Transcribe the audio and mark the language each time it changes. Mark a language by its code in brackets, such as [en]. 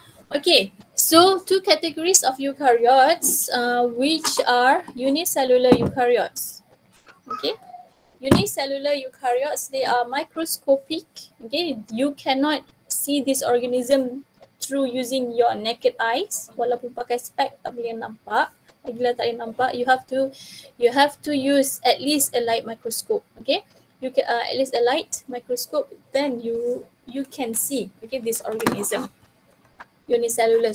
[en] Okay, so two categories of eukaryotes, which are unicellular eukaryotes. Okay, unicellular eukaryotes, they are microscopic. Okay, you cannot see this organism through using your naked eyes. [ms] Walaupun pakai spek, tak boleh nampak. Bila tak boleh nampak, [en] you have to use at least a light microscope. Okay, you can at least a light microscope, then you can see, okay, this organism. Unicellular.